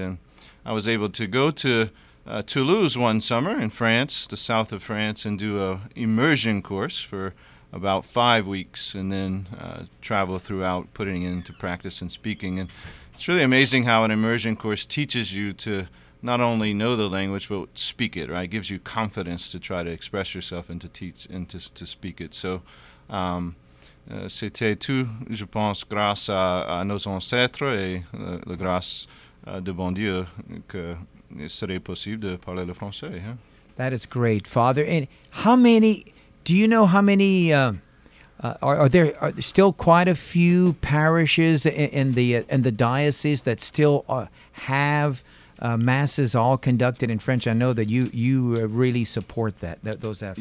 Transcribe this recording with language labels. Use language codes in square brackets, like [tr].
[en] And I was able to go to Toulouse one summer in France, the south of France, and do a immersion course for about 5 weeks, and then travel throughout, putting it into practice and speaking. And it's really amazing how an immersion course teaches you to not only know the language, but speak it, right? It gives you confidence to try to express yourself and to teach and to speak it. [fr] So, c'était tout, je pense, grâce à nos ancêtres et la grâce de bon Dieu que il serait possible de parler le français. Hein? [en] That is great, Father. And how many... Do you know how many, are there still quite a few parishes in the diocese that still have masses all conducted in French? I know that you really support those efforts.